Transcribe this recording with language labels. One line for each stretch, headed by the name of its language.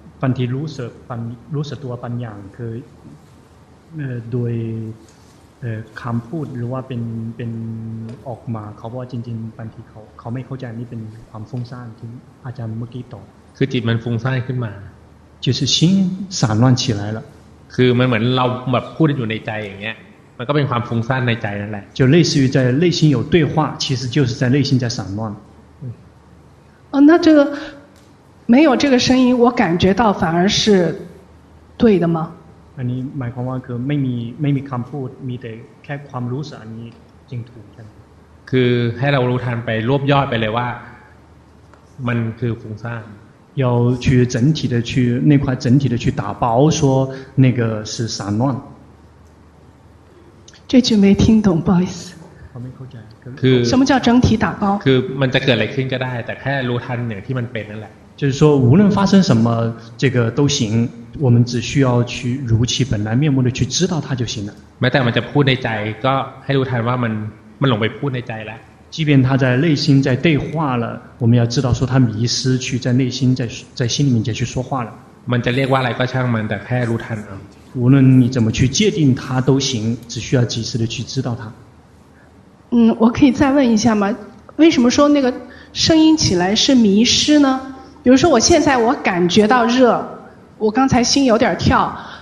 Thai: งทีรู้สึกตัวบางอย่างคือโดยคำพูดหรือว่าเป็นออกมาเขาบอกว่าจริงๆบางทีเขาไม่เข้าใจนี่เป็นความฟุ้งซ่านที่อาจารย์เมื่อกี้ตอบ คือจิตมันฟุ้งซ่านขึ้นมา
Chinese: 就是心散乱起来了
Thai: คือมันเหมือนเราแบบพูดอยู่ในใจอย่างเงี้ยมันก็เป็นความฟุ้งซ่านในใจนั่นแหละ
Chinese: 就类似于在内心有对话其实就是在内心在散乱哦那这个没有这个声音我感觉到反而是对的吗
Thai: อันนี้หมายความว่าคือไม่มีคำพูดมีแต่แค่ความรู้สึกอันนี้จริงถูก คือให้เรารู้ทันไปรวบยอดไปเลยว่ามันคือฟุ้งซ่าน
Chinese: 要去整体的去那块整体的去打包说那个是散乱这句没听懂不好意思
Thai: เขาไม่เข้าใจ คือ
Chinese: 什么叫整体打包
Thai: คือมันจะเกิดอะไรขึ้นก็ได้แต่แค่รู้ทันอย่างที่มันเป็นนั่นแหละ
Chinese: 就是说无论发生什么这个都行我们只需要去如其本来面目的去知道它就行了
Thai: แม้แต่มันจะพูดในใจก็ให้รู้ทันว่ามันหลงไปพูดในใจแล้ว
Chinese: 即便他在内心在对话了我们要知道说他迷失去在内心在心里面去说话了
Thai: มันจะเรียกว่าอะไรก็ช่างมันแต่ให้รู้ทันเอา
Chinese: 无论你怎么去界定它都行只需要及时的去知道它我可以再问一下吗为什么说那个声音起来是迷失呢比如说我现在我感觉到热我刚才心有点跳